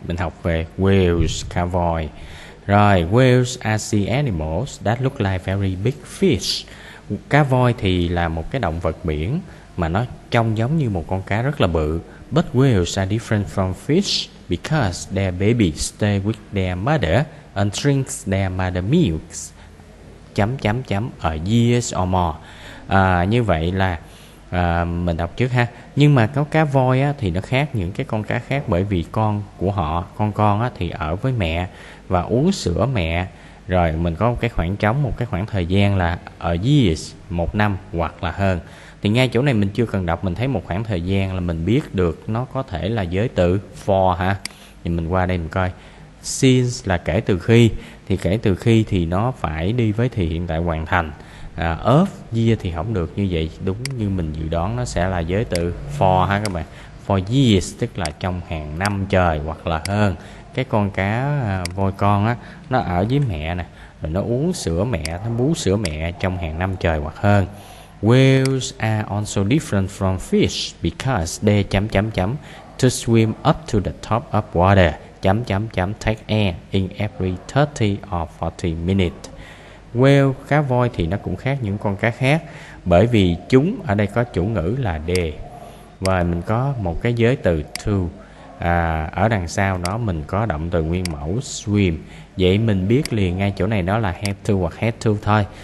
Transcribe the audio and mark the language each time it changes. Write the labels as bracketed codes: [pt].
[vi] Mình học về [en] whales, cowboy. [vi] Rồi, [en] whales are sea animals that look like very big fish. [vi] Cá voi thì là một cái động vật biển mà nó trông giống như một con cá rất là bự. [en] But whales are different from fish because their babies stay with their mother and drinks their mother milks [vi] chấm chấm chấm [en] a years or more. [vi] Như vậy là mình đọc trước ha. Nhưng mà có cá voi á, thì nó khác những cái con cá khác bởi vì con của họ, con á, thì ở với mẹ và uống sữa mẹ. Rồi mình có một cái khoảng trống, một cái khoảng thời gian là [en] a years, [vi] một năm hoặc là hơn. Thì ngay chỗ này mình chưa cần đọc, mình thấy một khoảng thời gian là mình biết được nó có thể là giới từ for ha. Thì mình qua đây mình coi. Since là kể từ khi, thì kể từ khi thì nó phải đi với thì hiện tại hoàn thành. [en] Of year [vi] thì không được, như vậy đúng như mình dự đoán nó sẽ là giới từ for ha các bạn. [en] for years, [vi] tức là trong hàng năm trời hoặc là hơn. Cái con cá voi con á, nó ở với mẹ nè, rồi nó uống sữa mẹ, nó bú sữa mẹ trong hàng năm trời hoặc hơn. [en] Whales are also different from fish because they to swim up to the top of water take air in every 30 or 40 minutes. [vi] Whale, cá voi thì nó cũng khác những con cá khác bởi vì chúng, ở đây có chủ ngữ là they, và mình có một cái giới từ to. Ở đằng sau đó mình có động từ nguyên mẫu swim. Vậy mình biết liền ngay chỗ này đó là have to hoặc had to thôi.